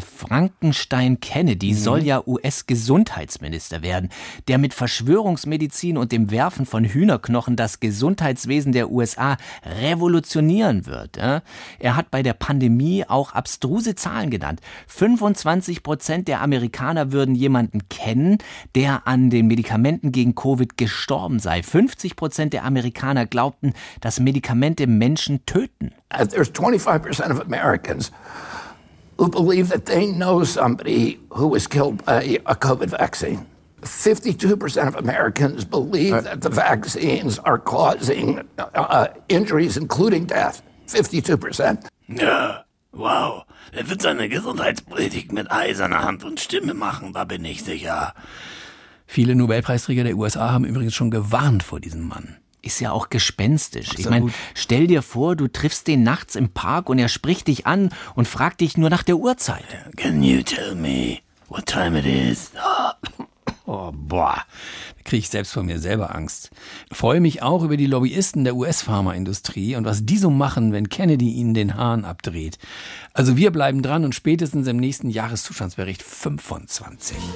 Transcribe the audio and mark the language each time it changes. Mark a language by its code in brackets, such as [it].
[de] Frankenstein Kennedy soll ja US-Gesundheitsminister werden, der mit Verschwörungsmedizin und dem Werfen von Hühnerknochen das Gesundheitswesen der USA revolutionieren wird. Ja? Er hat bei der Pandemie auch abstruse Zahlen genannt. 25% der Amerikaner würden jemanden kennen, der an den Medikamenten gegen Covid gestorben sei. 50% der Amerikaner glaubten, dass Medikamente Menschen töten. [en] There's 25% of Americans who believe that they know somebody who was killed by a COVID vaccine. 52% of Americans believe that the vaccines are causing injuries, including death. 52%. [de] Ja, wow. Er wird seine Gesundheitspolitik mit eiserner Hand und Stimme machen, da bin ich sicher. Viele Nobelpreisträger der USA haben übrigens schon gewarnt vor diesem Mann. Ist ja auch gespenstisch. Ich meine, stell dir vor, du triffst den nachts im Park und er spricht dich an und fragt dich nur nach der Uhrzeit. [en] Can you tell me what time it is? Oh, boah. [de] Da kriege ich selbst vor mir selber Angst. Freue mich auch über die Lobbyisten der US-Pharmaindustrie und was die so machen, wenn Kennedy ihnen den Hahn abdreht. Also wir bleiben dran und spätestens im nächsten Jahreszustandsbericht 25.